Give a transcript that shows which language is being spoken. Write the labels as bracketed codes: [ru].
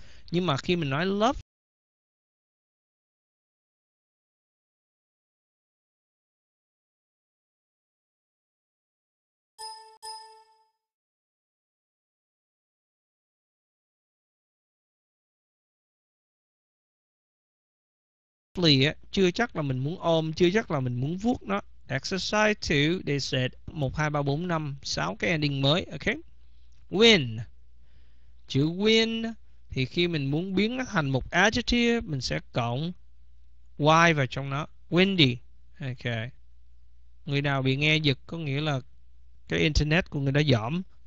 [vi] Nhưng mà khi mình nói [en] love lovely [vi] á, chưa chắc là mình muốn ôm, chưa chắc là mình muốn vuốt nó. [en] Exercise 2, they said 1, 2, 3, 4, 5, 6 [vi] cái ending mới. [en] Ok. Win. [vi] Chữ win thì khi mình muốn biến nó thành một adjective, mình sẽ cộng y vào trong nó. Windy. Ok. Người nào bị nghe giật có nghĩa là cái internet của người đó dởm.